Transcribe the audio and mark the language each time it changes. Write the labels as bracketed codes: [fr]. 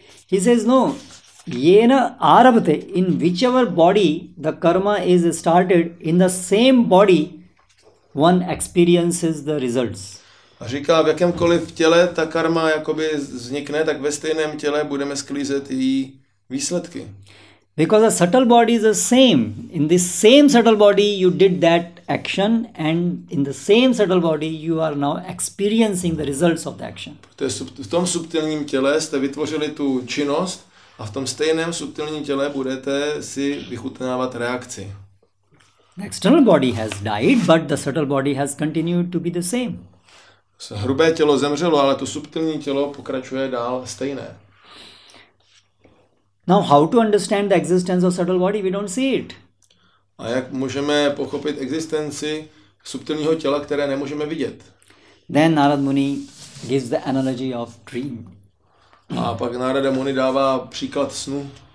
[en] He says no, [sa] yena arabhate, [en] in whichever body the karma is started, in the same body one experiences the results. [cs] A říká, v jakémkoliv těle ta karma jakoby vznikne, tak ve stejném těle budeme sklízet její výsledky. [en] Because a subtle body is the same. In this same subtle body, you did that action, and in the same subtle body, you are now experiencing the results of the action. [cs] V tom subtilním těle jste vytvořili tu činnost a v tom stejném subtilním těle budete si vychutnávat reakci. [en] The external body has died, but the subtle body has continued to be the same. [cs] Hrubé tělo zemřelo, ale to subtilní tělo pokračuje dál stejné. [en] Now how to understand the existence of subtle body? We don't see it. [cs] A jak můžeme pochopit existenci subtilního těla, které nemůžeme vidět? [en] Then Narad Muni gives the analogy of dream. [cs] A pak Narada Muni dává příklad snu.